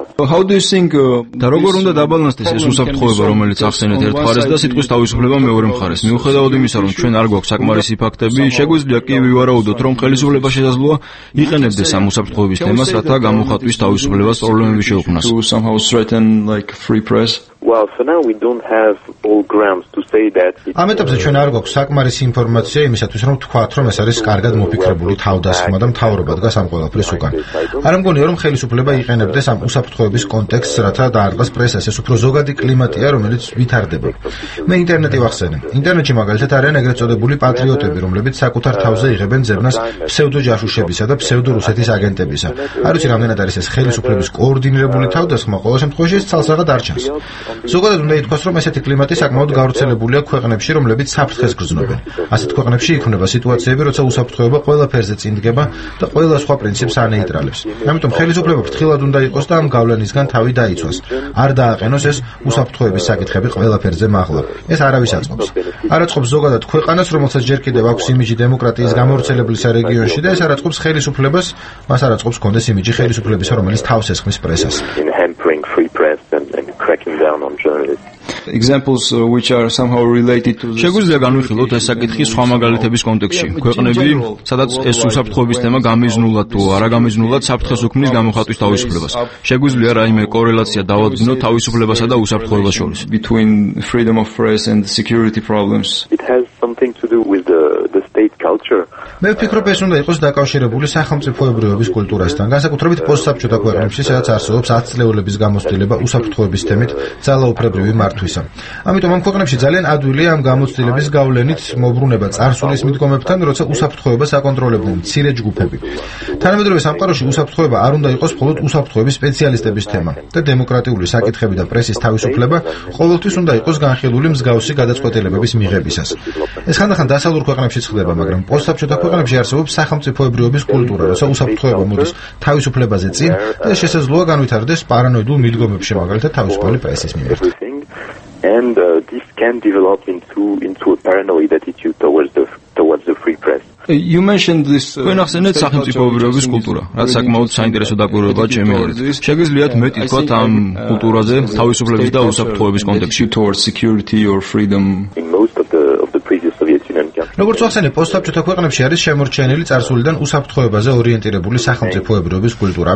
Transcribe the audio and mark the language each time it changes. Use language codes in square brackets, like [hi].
[en] How do you think [ka] და როგორ უნდა დაბალანსდეს ეს უსაფრთხოება, რომელიც ახსენეთ ერთ მხარეს და სიტყვის თავისუფლება მეორე მხარეს? მიუხედავად იმისა, რომ ჩვენ არ გვაქვს საკმარისი ფაქტები, შეგვიძლია კი ვივარაუდოთ, რომ ხელისუფლება შესაძლოა იყენებდეს ამ უსაფრთხოების თემას, რათა გამოხატვის თავისუფლებას პრობლემები შეუქმნას. [en] Well, for now we don't have all grounds to say that. [ka] ამეთავზე ჩვენ არ გვაქვს საკმარისი ინფორმაცია იმისათვის, რომ ვთქვათ, რომ ეს არის კარგად მოფიქრებული თავდასხმა და მთავრობა დგას ამ ყველაფრის უკან. არა მგონია, რომ ხელისუფლება იყენებდეს ამ უსაფრთხოების კონტექსტს, რათა დაარღვას პრესას. ეს უფრო ზოგადი კლიმატია, რომელიც ვითარდება. მე ინტერნეტი ვახსენე. ინტერნეტში მაგალითად არიან ეგრეთ წოდებული პატრიოტები, რომლებიც საკუთარ თავზე იღებენ ზერნას ფსევდო ჯაშუშებისა და ფსევდო რუსეთის აგენტებისა. არ ვიცი, რამდენად არის ეს ხელისუფლების კოორდინირებული თავდასხმა, ყოველ შემთხვევაში ეს ცალსაღად არ ჩანს. ზოგადად უნდა ითქვას, რომ ესეთი კლიმატი საკმაოდ გავრცელებულია ქვეყნებში, რომლებიც საფრთხეს გრძნობენ. ასეთ ქვეყნებში იქმნება სიტუაციები, როცა უსაფრთხოება ყველაფერზე წინდგება და ყველა სხვა პრინციპს ანეიტრალებს. ამიტომ ხელისუფლება ფრთხილად უნდა იყოს და ამ გავლენისგან თავი დაიცვას. არ დააყენოს ეს უსაფრთხოების საკითხები ყველაფერზე მაღლა. ეს არავის აწყობს. არაწყობს ზოგადად ქვეყანას, რომელსაც ჯერ კიდევ აქვს იმიჯი დემოკრატიის გამორჩეულებისა რეგიონში, და ეს არაწყობს ხელისუფლებას, მას არაწყობს კონდეს იმიჯი ხელისუფლებისა, რომელიც თავს ესხმის პრესას. [en] Examples which are somehow related to [ka] შეგვიძლია განვიხილოთ ეს საკითხი სხვა მაგალითების კონტექსტში. ქვეყნები, სადაც ეს უსაფრთხოების თემა გამიზნულად თუ არაგამიზნულად საფრთხეს უქმნის გამოხატვის თავისუფლებას. შეგვიძლია რაიმე კორელაცია დავადგინოთ თავისუფლებასა და უსაფრთხოებას შორის. [en] Between freedom of press and security problems. It has something to do with the state culture. [ka] მე ვფიქრობ, ეს უნდა იყოს დაკავშირებული სახელმწიფოებრიობის კულტურასთან, განსაკუთრებით პოსტსაბჭოთა ქვეყნებში, სადაც არსებობს 10 წლეულების გამოცდილება უსაფრთხოების თემით ძალაუფლებრივი მართვისა. ამიტომ ამ ქვეყნებში ძალიან ადვილია ამ გამოცდილების გავლენით მობრუნება წარსულის მიდგომებთან, როცა უსაფრთხოებას აკონტროლებდნენ მცირე ჯგუფები. თანამედროვე სამყაროში უსაფრთხოება არ უნდა იყოს მხოლოდ უსაფრთხოების სპეციალისტების თემა, და დემოკრატიული საკითხები და პრესის თავისუფლება ყოველთვის უნდა იყოს განხილული მსგავსი გადაწყვეტილებების მიღებისას. ეს ხანდახან დასავლურ ქვეყნებში ცხდება, მაგრამ პოსტსაბჭოთა ქვეყნებში არსებობს სახელმწიფოებრიობის კულტურა, როცა უსაფრთხოება მოდის თავისუფლებაზე წინ და შესაძლოა განვითარდეს პარანოიდულ მიდგომებში, მაგალითად თავისუფალი პრესის მიმართ. [en] And this can develop into a paranoid attitude towards the free press. You mentioned this [ka] ქვენ ახსენეთ სახელმწიფოებრიობის კულტურა, რაც საკმაოდ საინტერესო დაკვირვებაა ჩემი აზრით. შეგიძლიათ მეტი თქვათ ამ კულტურაზე თავისუფლების და უსაფრთხოების კონტექსტში? [en] Towards security or freedom. [ka] როგორც ახსენე, პოსტსაბჭოთა ქვეყნებში არის შემორჩენილი წარსულიდან უსაფრთხოებაზე ორიენტირებული სახელმწიფოებრიობის კულტურა.